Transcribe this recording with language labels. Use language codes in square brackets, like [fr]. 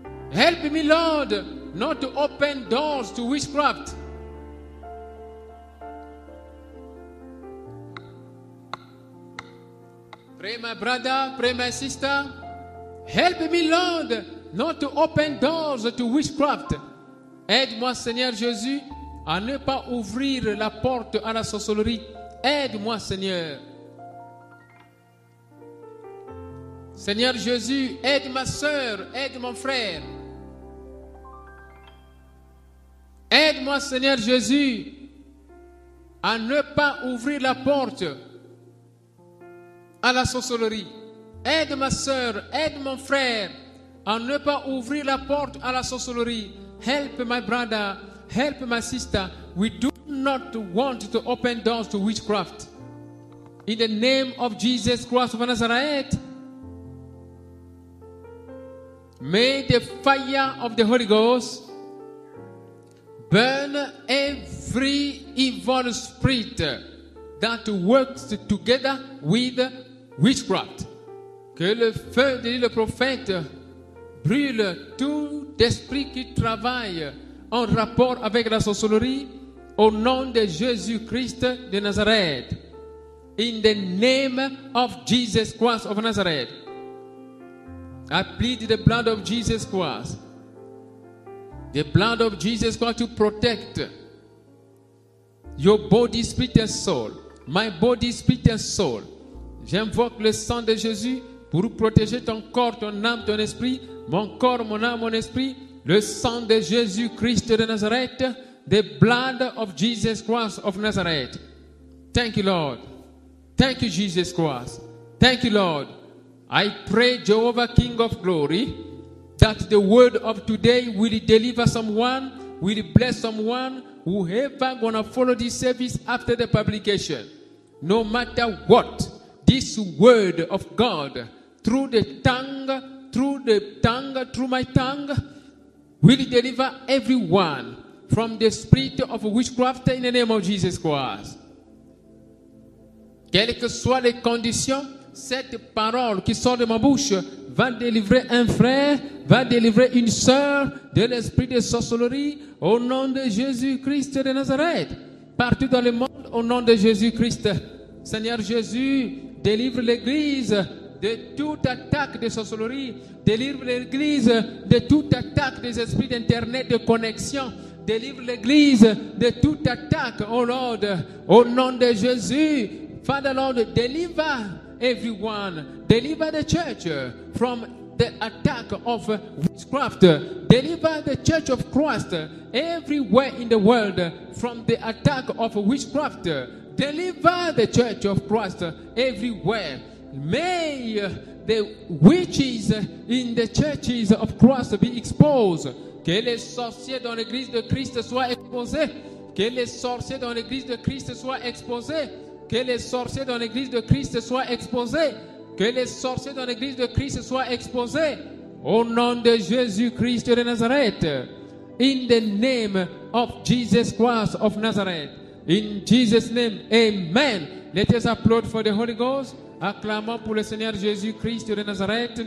[en] Help me, Lord, not to open doors to witchcraft. Pray, my brother, pray, my sister. Help me, Lord, not to open doors to witchcraft. [fr] Aide-moi, Seigneur Jésus, à ne pas ouvrir la porte à la sorcellerie. Aide-moi, Seigneur. Seigneur Jésus, aide ma soeur, aide mon frère. Aide-moi, Seigneur Jésus, à ne pas ouvrir la porte à la sorcellerie. Aide ma soeur, aide mon frère, à ne pas ouvrir la porte à la sorcellerie. [en] Help my brother, help my sister. We do not want to open doors to witchcraft. In the name of Jesus Christ of Nazareth, may the fire of the Holy Ghost burn every evil spirit that works together with witchcraft. [fr] Que le feu, dit le prophète, brûle tout esprit qui travaille en rapport avec la sorcellerie au nom de Jésus-Christ de Nazareth. [en] In the name of Jesus Christ of Nazareth, I plead the blood of Jesus Christ, the blood of Jesus Christ to protect Your body, spirit and soul. My body, spirit and soul. [fr] J'invoque le sang de Jésus pour protéger ton corps, ton âme, ton esprit. Mon corps, mon âme, mon esprit. Le sang de Jésus Christ de Nazareth. [en] The blood of Jesus Christ of Nazareth. Thank you, Lord. Thank you, Jesus Christ. Thank you, Lord. I pray, Jehovah, King of Glory, that the word of today will deliver someone, will bless someone, whoever gonna follow this service after the publication. No matter what, this word of God, through my tongue, will deliver everyone from the spirit of witchcraft in the name of Jesus Christ. [fr] Quelles que soient les conditions, cette parole qui sort de ma bouche va délivrer un frère, va délivrer une sœur de l'esprit de sorcellerie au nom de Jésus-Christ de Nazareth. Partout dans le monde, au nom de Jésus-Christ, Seigneur Jésus, délivre l'Église de toute attaque de sorcellerie, délivre l'Église de toute attaque des esprits d'Internet, de connexion, délivre l'Église de toute attaque, [en] oh Lord, [fr] au nom de Jésus. [en] Father Lord, deliver everyone, deliver the church from the attack of witchcraft, deliver the church of Christ everywhere in the world from the attack of witchcraft, deliver the church of Christ everywhere. May the witches in the churches of Christ be exposed. [fr] Que les sorciers dans l'église de Christ soient exposés. Que les sorciers dans l'église de Christ soient exposés. Que les sorciers dans l'église de Christ soient exposés. Que les sorciers dans l'église de Christ soient exposés. Au nom de Jésus-Christ de Nazareth. [en] In the name of Jesus Christ of Nazareth. In Jesus' name, amen. Let us applaud for the Holy Ghost. [fr] Acclamons pour le Seigneur Jésus-Christ de Nazareth.